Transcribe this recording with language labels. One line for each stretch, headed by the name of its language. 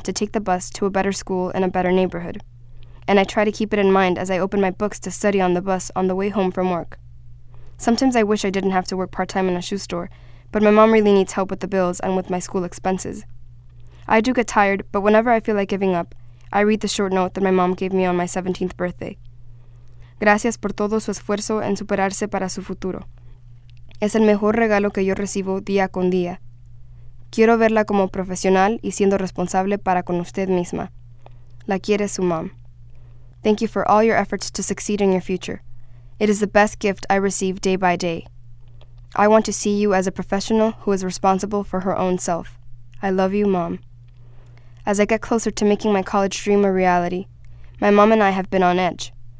English: to take the bus to a better school in a better neighborhood. And I try to keep it in mind as I open my books to study on the bus on the way home from work. Sometimes I wish I didn't have to work part-time in a shoe store, but my mom really needs help with the bills and with my school expenses. I do get tired, but whenever I feel like giving up, I read the short note that my mom gave me on my 17th birthday.
Spanish: Gracias por todo su esfuerzo en superarse para su futuro. Es el mejor regalo que yo recibo día con día. Quiero verla como profesional y siendo responsable para con usted misma. La quiere su mom.
English: Thank you for all your efforts to succeed in your future. It is the best gift I receive day by day. I want to see you as a professional who is responsible for her own self. I love you, Mom. As I get closer to making my college dream a reality, my mom and I have been on edge.